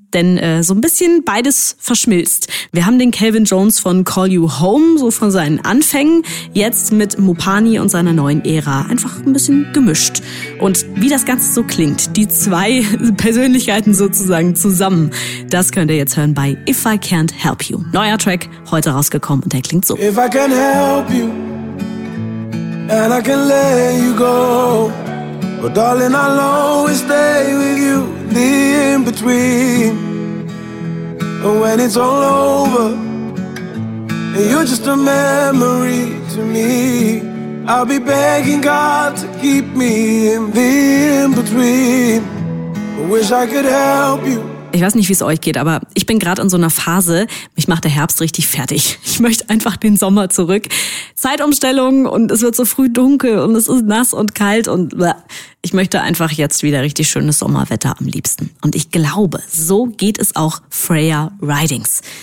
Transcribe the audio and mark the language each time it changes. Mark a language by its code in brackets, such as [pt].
[de] Denn so ein bisschen beides verschmilzt. Wir haben den Calvin Jones von Call You Home, so von seinen Anfängen, jetzt mit Mupani und seiner neuen Ära einfach ein bisschen gemischt. Und wie das Ganze so klingt, die zwei Persönlichkeiten sozusagen zusammen, das könnt ihr jetzt hören bei If I Can't Help You. Neuer Track, heute rausgekommen und der klingt so. [en] If I can help you and I can let you go. But darling, I'll always stay with you the in between. But when it's all over and you're just a memory to me, I'll be begging God to keep me in the in between. I wish I could help you. [de] Ich weiß nicht, wie es euch geht, aber ich bin gerade in so einer Phase, mich macht der Herbst richtig fertig. Ich möchte einfach den Sommer zurück. Zeitumstellung und es wird so früh dunkel und es ist nass und kalt und ich möchte einfach jetzt wieder richtig schönes Sommerwetter am liebsten. Und ich glaube, so geht es auch Freya Ridings.